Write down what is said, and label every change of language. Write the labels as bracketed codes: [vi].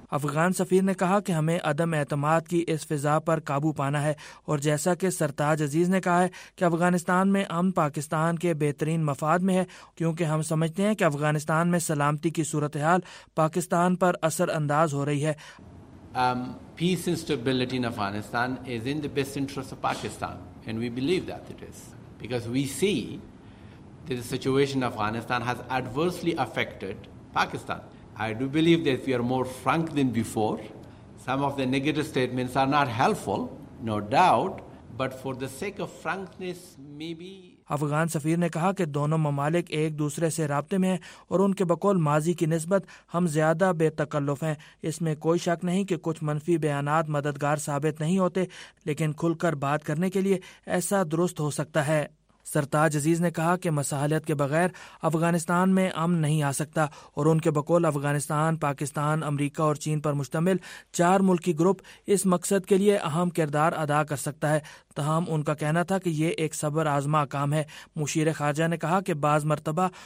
[ur] افغان سفیر نے کہا کہ ہمیں عدم اعتماد کی اس فضا پر قابو پانا ہے، اور جیسا کہ سرتاج عزیز نے کہا ہے کہ افغانستان میں امن پاکستان کے بہترین مفاد میں ہے، کیونکہ ہم سمجھتے ہیں کہ افغانستان میں سلامتی کی صورتحال پاکستان پر اثر انداز ہو رہی ہے۔ [en] Peace and stability in Afghanistan is in the best interest of Pakistan, and we believe that it is, because we see that the situation in Afghanistan has adversely affected Pakistan. I do believe that we are more frank than before. Some of the negative statements are not helpful, no doubt, but for the sake of frankness, maybe... [ur] Afghan سفیر نے کہا کہ دونوں ممالک ایک دوسرے سے رابطے میں ہیں، اور ان کے بقول ماضی کی نسبت ہم زیادہ بے تکلف ہیں۔ اس میں کوئی شک نہیں کہ کچھ منفی بیانات مددگار ثابت نہیں ہوتے، لیکن کھل کر بات کرنے کے لیے ایسا درست ہو سکتا ہے۔ سرتاج عزیز نے کہا کہ مصالحت کے بغیر افغانستان میں امن نہیں آ سکتا، اور ان کے بقول افغانستان، پاکستان، امریکہ اور چین پر مشتمل چار ملکی گروپ اس مقصد کے لیے اہم کردار ادا کر سکتا ہے۔ تاہم ان کا کہنا تھا کہ یہ ایک صبر آزما کام ہے۔ مشیر خارجہ نے کہا کہ بعض مرتبہ